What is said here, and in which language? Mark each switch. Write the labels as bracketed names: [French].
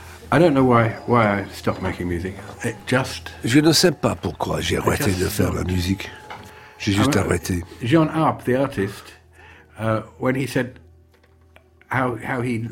[English] I don't know why I stopped making music. It just. [French] Je ne sais pas pourquoi j'ai arrêté de faire la musique. J'ai juste arrêté. [English] Jean Arp, the artist, when he said how he.